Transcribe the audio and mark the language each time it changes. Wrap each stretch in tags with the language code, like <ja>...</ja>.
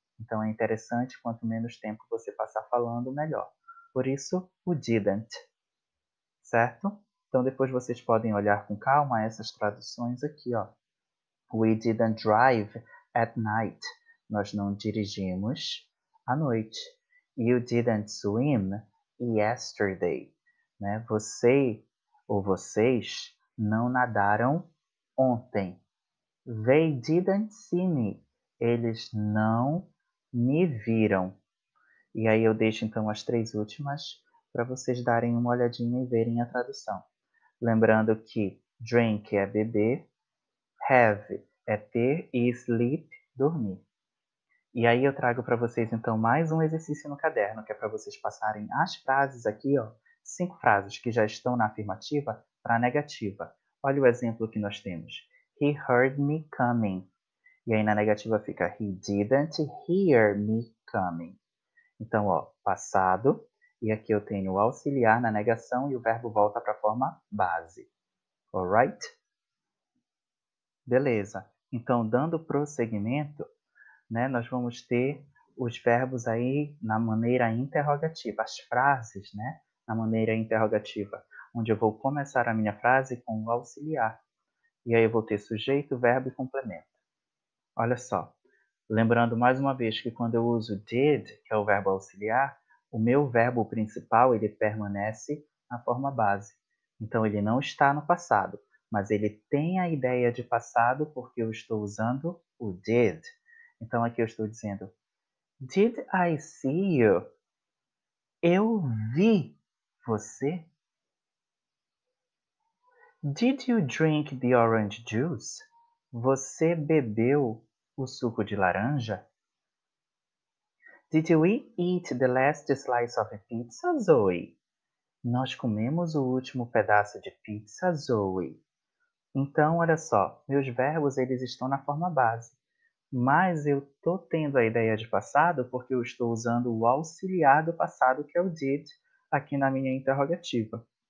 <pt>Então é interessante, quanto menos tempo você passar falando, melhor. Por isso, o didn't. Certo? Então depois vocês podem olhar com calma essas traduções aqui, ó.</pt> <en>We didn't drive at night.</en> <pt>Nós não dirigimos à noite.</pt> <en>You didn't swim yesterday,</en> <pt>né? Você ou vocês não nadaram ontem.</pt> <en>They didn't see me.</en> <pt>Eles não me viram. E aí eu deixo então as três últimas para vocês darem uma olhadinha e verem a tradução. Lembrando que drink é beber, have é ter e sleep, dormir. E aí eu trago para vocês então mais um exercício no caderno, que é para vocês passarem as frases aqui, ó, cinco frases que já estão na afirmativa para a negativa. Olha o exemplo que nós temos.</pt> <en>He heard me coming.</en> <pt>E aí na negativa fica</pt> <en>he didn't hear me coming.</en> <pt>Então, ó, passado, e aqui eu tenho o auxiliar na negação e o verbo volta para a forma base. Alright? Beleza. Então, dando prosseguimento, né? Nós vamos ter os verbos aí na maneira interrogativa, as frases, né? Na maneira interrogativa, onde eu vou começar a minha frase com o auxiliar. E aí eu vou ter sujeito, verbo e complemento. Olha só. Lembrando mais uma vez que quando eu uso did, que é o verbo auxiliar, o meu verbo principal, ele permanece na forma base. Então, ele não está no passado, mas ele tem a ideia de passado porque eu estou usando o did. Então, aqui eu estou dizendo,</pt> <en>did I see you?</en> <pt>Eu vi você.</pt> <en>Did you drink the orange juice?</en> <pt>Você bebeu o suco de laranja?</pt> <en>Did we eat the last slice of pizza, Zoe?</en> <pt>Nós comemos o último pedaço de pizza, Zoe. Então, olha só, meus verbos eles estão na forma base. Mas eu estou tendo a ideia de passado porque eu estou usando o auxiliar do passado, que é o did, aqui na minha interrogativa.</pt>